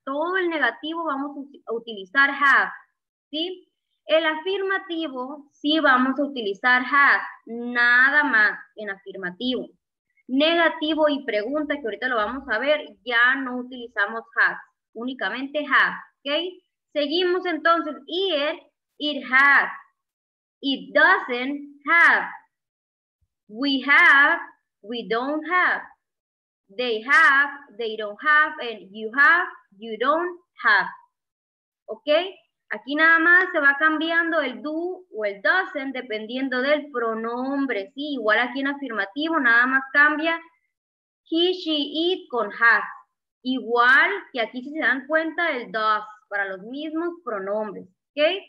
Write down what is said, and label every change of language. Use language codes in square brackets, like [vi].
[es] Todo el negativo vamos a utilizar have, ¿sí? El afirmativo sí vamos a utilizar has, nada más en afirmativo. Negativo y pregunta, que ahorita lo vamos a ver, ya no utilizamos has, únicamente has, ¿ok? Seguimos entonces, [en] it has, it doesn't have, we have, we don't have, they don't have, and you have, you don't have, ¿ok? [es] Aquí nada más se va cambiando el do o el doesn't dependiendo del pronombre, ¿sí? Igual aquí en afirmativo nada más cambia he, she, it con has. Igual que aquí, si se dan cuenta, el does para los mismos pronombres, ¿ok?